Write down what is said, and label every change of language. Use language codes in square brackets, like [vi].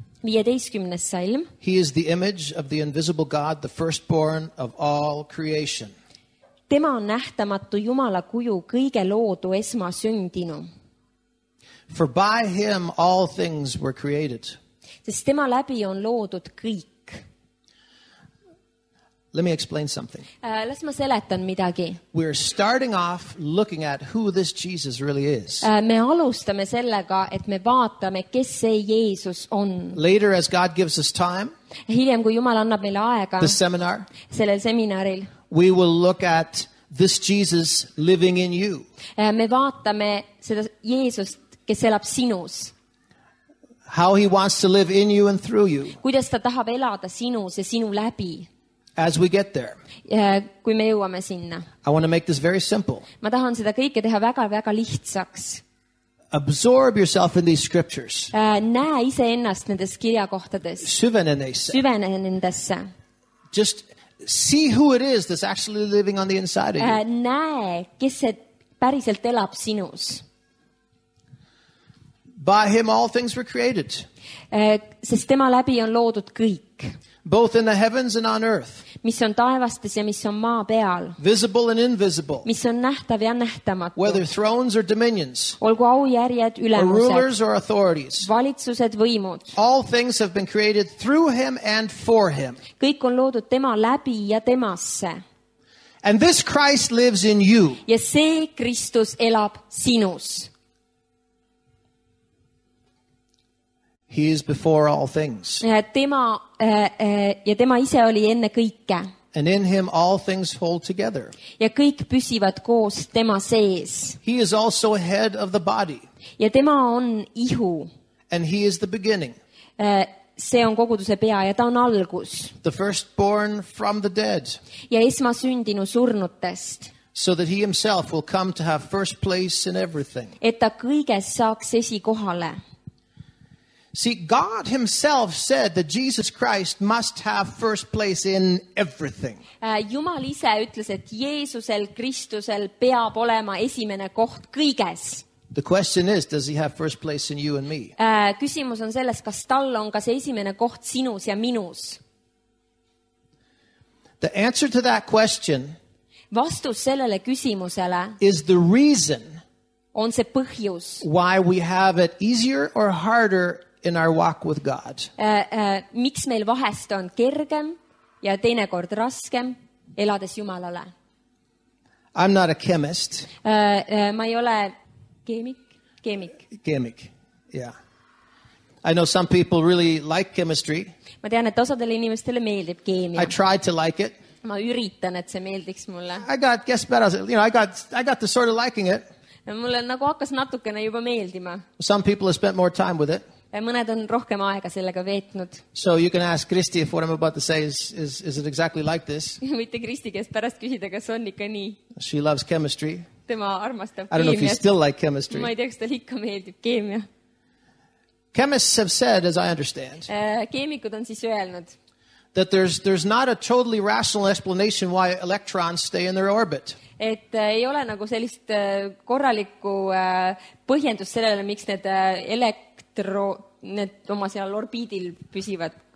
[en] He is the image of the invisible God, the firstborn of all creation. [et] Tema on nähtamatu Jumala kuju kõige loodu esma sündinu. [en] For by him all things were created. [et] Sest tema läbi on loodud kõik. [en] Let me explain something. [et] Las ma seletan midagi. [en] We're starting off looking at who this Jesus really is. [et] Me alustame sellega, et me vaatame, kes see Jeesus on. [en] Later, as God gives us time, [et] hiljem, kui Jumal annab meile aega, [en] the seminar, [et] sellel seminaril, [en] we will look at this Jesus living in you. [et] Me vaatame seda Jeesust, kes elab sinus. [en] How he wants to live in you and through you. [et] Kuidas ta tahab elada sinus ja sinu läbi. [en] As we get there. [et] Kui me jõuame sinna. [en] I want to make this very simple. [et] Ma tahan seda kõike teha väga väga lihtsaks. [en] Absorb yourself in these scriptures. [et] Näe ise ennast nendes kirjakohtades. Süvene neisse. Süvene nendesse. [en] Just see who it is that's actually living on the inside of you. [et] Näe, kes see päriselt elab sinus. [en] By him all things were created. [et] Sest tema läbi on loodud kõik. [en] Both in the heavens and on earth. [et] Mis on taevastes ja mis on maa peal. [en] Visible and invisible. [et] Mis on nähtav ja nähtamatu. [en] Whether thrones or dominions. [et] Olgu aujärjed, ülemused. [en] Or rulers or authorities. [et] Valitsused, võimud. [en] All things have been created through him and for him. [et] Kõik on loodud tema läbi ja temasse. [en] And this Christ lives in you. [et] Ja see Kristus elab sinus. [en] He is before all things. [et] Ja tema ise oli enne kõike. [en] And in him all things hold together. [et] Ja kõik püsivad koos tema sees. [en] He is also head of the body. [et] Ja tema on ihu. [en] And he is the beginning. [et] See on koguduse pea ja ta on algus. [en] The firstborn from the dead. [et] Ja esmasündinu surnutest. [en] So that he himself will come to have first place in everything. [et] Et ta kõiges saaks esikohale. [en] See, God himself said that Jesus Christ must have first place in everything. [et] Jumal ise ütles, et Jeesusel Kristusel peab olema esimene koht kõiges. [en] The question is, does he have first place in you and me? [et] Küsimus on selles, kas tal on kas esimene koht sinus ja minus? [en] The answer to that question [et] vastus sellele küsimusele [en] is the reason [et] on see põhjus [en] why we have it easier or harder in our walk with God. [et] Miks meil vahest on kergem ja teine kord raskem elades Jumalale? [en] I'm not a chemist. [et] Ma ei ole keemik. Keemik. [en] Keemik, yeah. I know some people really like chemistry. [et] Ma tean, et osadele inimestele meeldib keemia. [en] I tried to like it. [et] Ma üritan, et see meeldiks mulle. [en] I got the sort of liking it. [et] Mulle nagu hakkas natukene juba meeldima. [en] Some people have spent more time with it. [et] Ja mõned on rohkem aega sellega veetnud. [en] So you can ask Kristi if what I'm about to say is it exactly like this. [et] Võite Kristi, kes pärast küsida, kas on ikka nii. [en] She loves chemistry. [et] Tema armastab keemia. [en] I don't know if you still like chemistry. [et] Ma ei tea, kas ta ikka meeldib keemia. [en] Chemists have said, as I understand, [et] keemikud on siis öelnud, [en] that there's not a totally rational explanation why electrons stay in their orbit. [et] Et ei ole nagu sellist korralikku põhjendust sellele, miks need need oma seal orbiidil püsivad.